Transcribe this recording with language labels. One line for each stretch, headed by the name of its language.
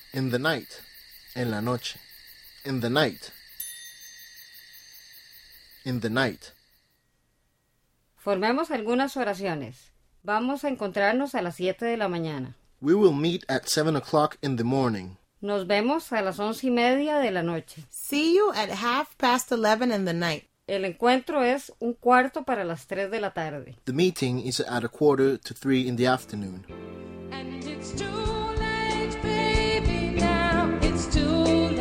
English: in the night,
Spanish: en la noche,
English: in the night, in the night.
Spanish: Formemos algunas oraciones. Vamos a encontrarnos a las 7 de la mañana.
English: We will meet at 7 o'clock in the morning.
Spanish: Nos vemos a las 11 y media de la noche.
English: See you at 11:30 in the night.
Spanish: El encuentro es un cuarto para las 3 de la tarde.
English: The meeting is at 2:45 in the afternoon. And it's too late, baby, now it's too late.